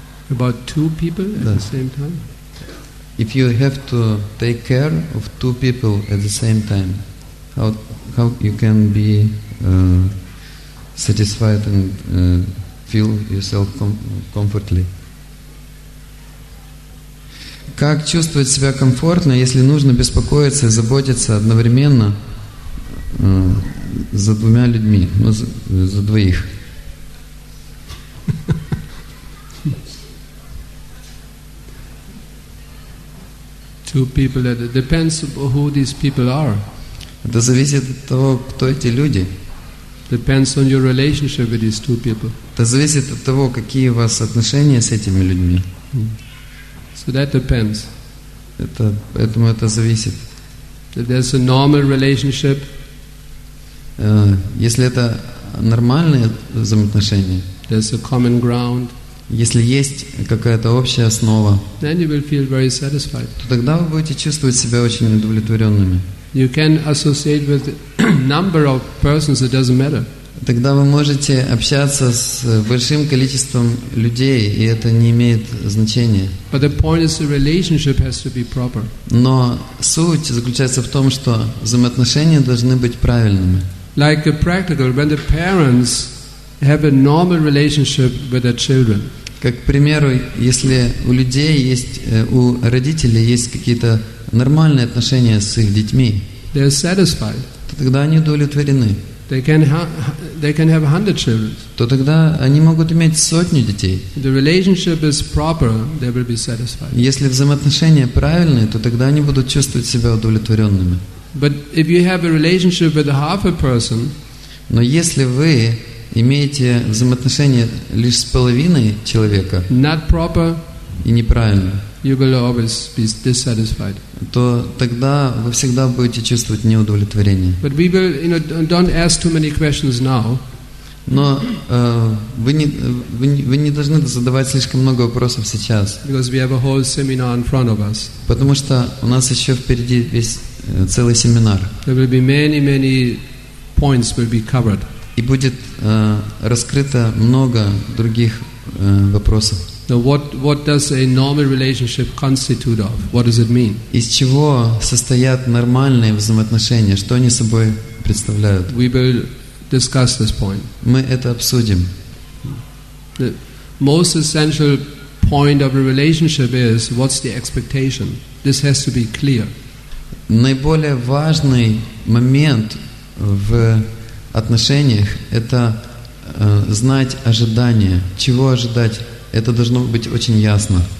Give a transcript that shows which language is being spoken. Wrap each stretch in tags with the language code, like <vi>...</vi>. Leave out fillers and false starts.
<en>About two people at the same time? If you have to take care of two people at the same time, how you can be satisfied and feel yourself comfortably?</en> <ru>Как чувствовать себя комфортно, если нужно беспокоиться и заботиться одновременно за двумя людьми, ну, за двоих?</ru> <en>Two people, it depends who these people are.</en> <ru>Это зависит от того, кто эти люди.</ru> <en>Depends on your relationship with these two people.</en> <ru>Это зависит от того, какие у вас отношения с этими людьми.</ru> <en>So that depends.</en> <ru>Это, поэтому это зависит.</ru> <en>If there's a normal relationship,</en> <ru>если это нормальные взаимоотношения,</ru> <en>there's a common ground,</en> <ru>если есть какая-то общая основа,</ru> <en>then you will feel very satisfied.</en> <ru>То тогда вы будете чувствовать себя очень удовлетворенными.</ru> <en>You can associate with number of persons, it doesn't matter.</en> <ru>Тогда вы можете общаться с большим количеством людей, и это не имеет значения.</ru> <en>But the point is, the relationship has to be proper.</en> <ru>Но суть заключается в том, что взаимоотношения должны быть правильными.</ru> <en>Like a practical, when the parents have a normal relationship with their children.</en> <ru>Как, к примеру, если у людей есть, у родителей есть какие-то нормальные отношения с их детьми,</ru> <en>they are satisfied.</en> <ru>То тогда они удовлетворены.</ru> <en>They can have 100 children.</en> <ru>То тогда они могут иметь сотню детей.</ru> <en>The relationship is proper, they will be satisfied.</en> <ru>Если взаимоотношения правильные, то тогда они будут чувствовать себя удовлетворенными.</ru> <en>But if you have a relationship with half a person,</en> <ru>но если вы имеете взаимоотношения лишь с половиной человека,</ru> <en>not proper,</en> <ru>и неправильно,</ru> <en>you will always be dissatisfied.</en> <ru>То тогда вы всегда будете чувствовать неудовлетворение.</ru> <en>But we will, you know, don't ask too many questions now.</en> <ru>Но вы не должны задавать слишком много вопросов сейчас.</ru> <en>Because we have a whole seminar in front of us.</en> <ru>Потому что у нас еще впереди весь целый семинар.</ru> <en>There will be many, many points will be covered.</en> <ru>И будет раскрыто много других вопросов.</ru> <en>Now what does a normal relationship constitute of? What does it mean?</en> <ru>Из чего состоят нормальные взаимоотношения? Что они собой представляют?</ru> <en>We will discuss this point.</en> <ru>Мы это обсудим.</ru> <en>The most essential point of a relationship is what's the expectation? This has to be clear.</en> <ru>Наиболее важный момент в отношениях – это знать ожидания. Чего ожидать? Это должно быть очень ясно.</ru>